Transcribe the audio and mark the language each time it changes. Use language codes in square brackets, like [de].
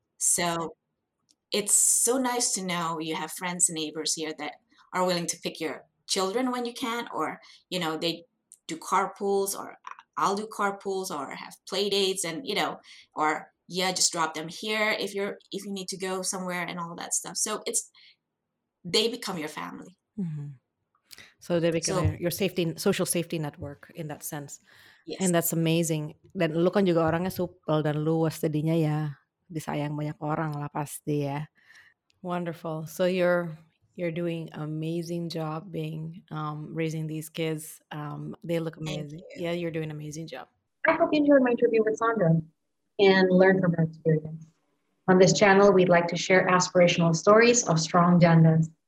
[en] So it's so nice to know you have friends and neighbors here that are willing to pick your children when you can, or, you know, they do carpools, or I'll do carpools, or have play dates, and, you know, or just drop them here if you need to go somewhere and all that stuff. So it's, they become your family. Mm-hmm. So they become your safety, social safety network in that sense. Yes. And that's amazing. [id] Dan lu kan juga orangnya supel dan luas, jadinya ya disayang banyak orang lah pasti ya. [en] Wonderful. So you're doing amazing job being raising these kids. They look amazing. You. Yeah, you're doing an amazing job. I hope you enjoyed my interview with Sandra and learned from her experience. On this channel, we'd like to share aspirational stories of strong dandas.